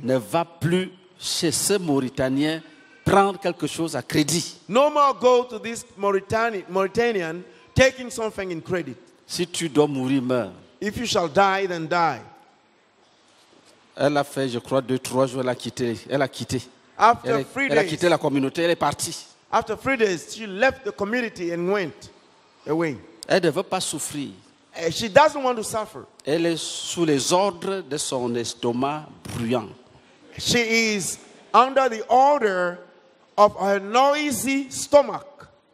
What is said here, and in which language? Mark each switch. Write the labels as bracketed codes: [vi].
[fr] ne va plus chez ce Mauritanien prendre quelque chose à crédit. [en] No more go to this Mauritanian taking something in credit. [fr] Si tu dois mourir, meurs. [en] If you shall die, then die. [fr] Elle a fait, je crois, 2-3 jours, elle a quitté. Elle a quitté. [en] After [fr] elle, [en] three [fr] elle [en] days, [fr] a quitté la communauté, elle est partie. [en] After 3 days, she left the community and went away. [fr] Elle ne veut pas souffrir. [en] She doesn't want to suffer. [fr] Elle est sous les ordres de son estomac bruyant. [en] She is under the order of a noisy stomach.